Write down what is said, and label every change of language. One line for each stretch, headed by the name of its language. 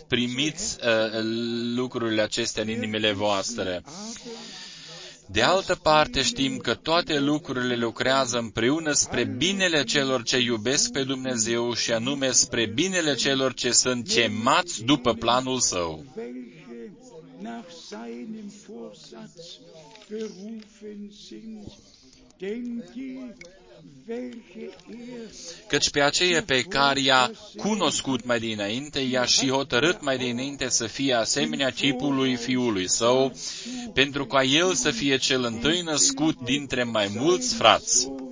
Romanian: Primiți lucrurile acestea în inimile voastre. De altă parte, știm că toate lucrurile lucrează împreună spre binele celor ce iubesc pe Dumnezeu și anume spre binele celor ce sunt chemați după planul Său.
German: nach seinem Vorsatz berufen sind. Denn die, welche er...
Romanian: Căci pe aceia pe care i-a cunoscut mai dinainte, i-a și hotărât mai dinainte să fie asemenea chipului fiului său, pentru ca el să fie cel întâi născut dintre mai mulți frați.